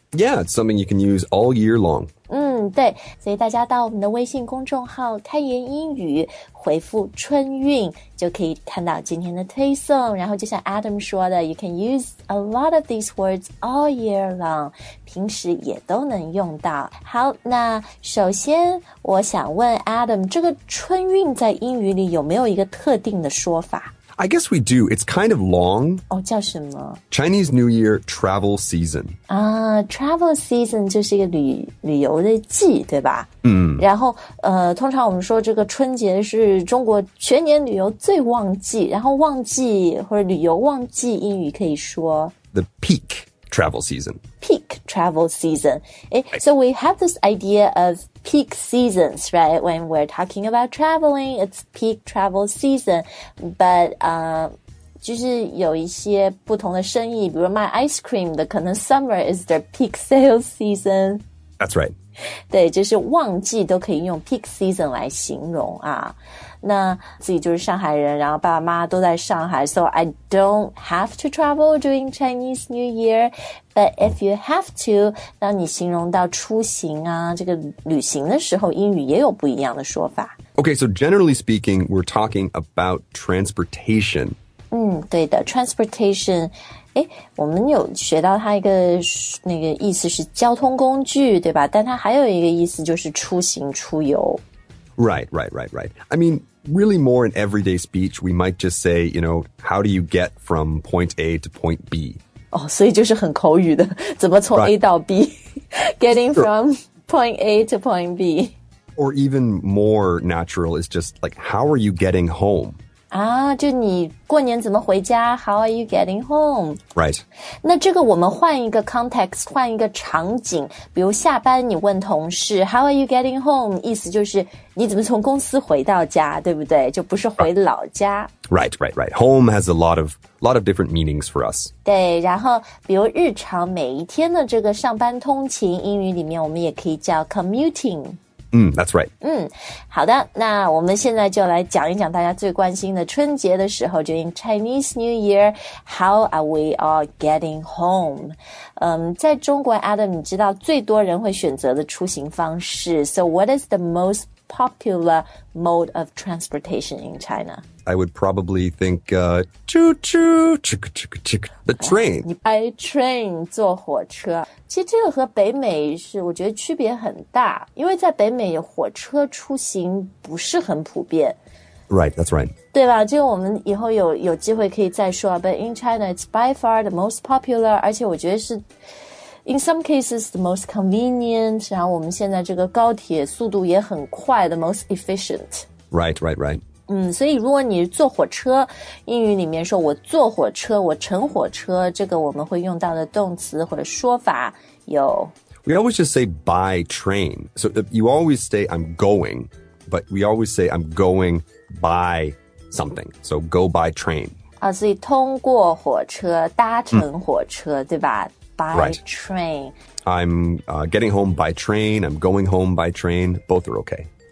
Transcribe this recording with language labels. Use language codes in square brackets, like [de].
[en] Yeah, it's something you can use all year long. [zh] 对。所以大家到我们的微信公众号开言英语回复春运就可以看到今天的推送。然后就像 Adam 说的 [en] ,you can use a lot of these words all year long, [zh] 平时也都能用到。好，那首先我想问 Adam, 这个春运在英语里有没有一个特定的说法？ [en] I guess we do. It's kind of long. [zh] 叫什么？ [en] Chinese New Year Travel Season. [zh] Travel Season 就是一个旅游的季，对吧？然后通常我们说这个春节是中国全年旅游最旺季，然后旺季或者旅游旺季英语可以说 [en] The peak travel season. Peak travel season. So we have this idea of peak seasons, right? When we're talking about traveling, it's peak travel season. [zh] But, 就是有一些不同的生意，比如卖 ice cream 的，可能 [en] summer is their peak sales season. That's right. [zh] 对，就是旺季都可以用 peak season 来形容啊。那自己就是上海人，然后爸爸妈妈都在上海， [en] so I don't have to travel during Chinese New Year. But if you have to, [zh] 当你形容到出行啊，这个旅行的时候，英语也有不一样的说法。 [en] Okay, so generally speaking, we're talking about transportation. [zh] 对的 ，transportation。我们有学到它一个那个意思是交通工具，对吧？但它还有一个意思就是出行、出游。 [en] Right. I mean, really more in everyday speech, we might just say, you know, how do you get from point A to point B? [zh] 所以就是很口语的，怎么从 A 到 B? [en] Getting from point A to point B. Or even more natural is just like, how are you getting home? [zh] 就你过年怎么回家? [en] How are you getting home? Right. [zh] 那这个我们换一个 context, 换一个场景。比如下班你问同事, [en] how are you getting home? [zh] 意思就是你怎么从公司回到家,对不对? 就不是回老家。 [en] Right. Home has a lot of different meanings for us. [zh] 对,然后比如日常每一天的这个上班通勤,英语里面我们也可以叫 commuting。 [en] That's right. [zh] 好的，那我们现在就来讲一讲大家最关心的春节的时候 , [en] during Chinese New Year, how are we all getting home? [zh] 在中国 ,Adam, 你知道最多人会选择的出行方式。 [en] So what is the most popular mode of transportation in China? I would probably think, choo-choo, chick-chick-chick, the train. By train, [zh] 坐火车。其实这个和北美是我觉得区别很大因为在北美火车出行不是很普遍 [en] Right, that's right [zh] 对吧这个我们以后 有机会可以再说 [en] But in China, it's by far the most popular [zh] 而且我觉得是 [en] In some cases, the most convenient [zh] 然后我们现在这个高铁速度也很快 [en] The most efficient Right. [zh] 所以如果你坐火车英语里面说我坐火车我乘火车这个我们会用到的动词或者说法有 [en] We always just say by train. So you always say I'm going, but we always say I'm going by something. So go by train. [zh] 所以通过火车搭乘火车对吧 [en] By train. I'm getting home by train. I'm going home by train. Both are okay.